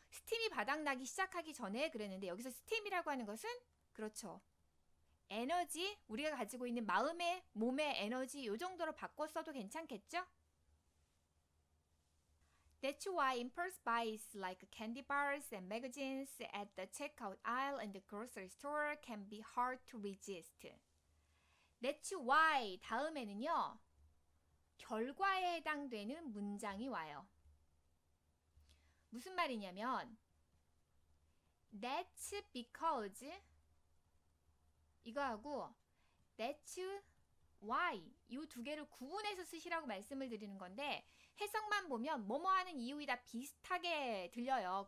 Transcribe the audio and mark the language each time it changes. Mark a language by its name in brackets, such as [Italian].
[Korean] 스팀이 바닥나기 시작하기 전에 그랬는데 여기서 스팀이라고 하는 것은 그렇죠. 에너지, 우리가 가지고 있는 마음의, 몸의 에너지 이 정도로 바꿨어도 괜찮겠죠? [English] That's why impulse buys like candy bars and magazines at the checkout aisle and the grocery store can be hard to resist. That's why [Korean] 다음에는요. 결과에 해당되는 문장이 와요. 무슨 말이냐면 [English] That's because [Korean] 이거하고 [English] that's why [Korean] 이 두 개를 구분해서 쓰시라고 말씀을 드리는 건데 해석만 보면 뭐뭐 하는 이유이다 비슷하게 들려요.